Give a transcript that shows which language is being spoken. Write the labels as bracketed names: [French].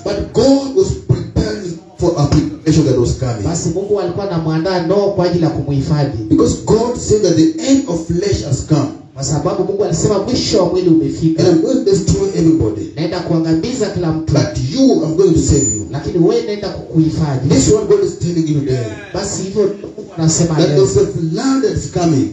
[English] But God was preparing for a application that was coming. [Swahili] Basi Mungu alikuwa anamwandaa Noah kwa ajili ya kumhifadhi. [English] Because God said that the end of flesh has come. [Swahili] Kwa sababu Mungu alisema mwisho wa mwili umefika. [English] And I'm going to destroy everybody. [Swahili] Naenda kuangamiza kila mtu. [English] But you, I'm going to save you. [Swahili] Lakini wewe naenda kukuhifadhi. [English] This one God is telling you today. [Swahili] Basi hivyo Mungu anasema leo. [English] That the flood is coming.